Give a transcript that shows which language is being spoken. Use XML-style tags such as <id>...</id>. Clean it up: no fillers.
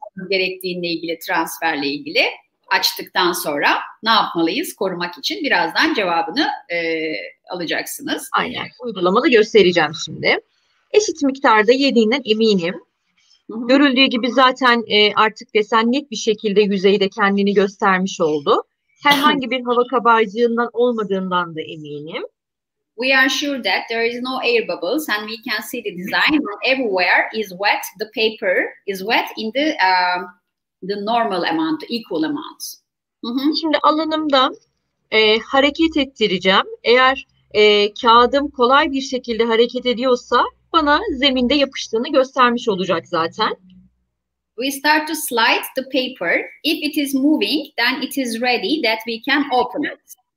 <tr>Gerektiğinle ilgili, transferle ilgili açtıktan sonra ne yapmalıyız korumak için birazdan cevabını alacaksınız. Aynen. Uygulamada göstereceğim şimdi. Eşit miktarda yediğinden eminim. Görüldüğü gibi zaten artık desen net bir şekilde yüzeyde kendini göstermiş oldu. herhangi bir hava kabarcığından olmadığından da eminim.</tr> <en>We are sure that there is no air bubbles and we can see the design everywhere is wet. The paper is wet in the normal amount, equal amount.</en> <tr>Mm-hmm. Şimdi alanımda hareket ettireceğim. Eğer kağıdım kolay bir şekilde hareket ediyorsa bana zeminde yapıştığını göstermiş olacak zaten.</tr> <en>We start to slide the paper. If it is moving, then it is ready that we can open it.</en>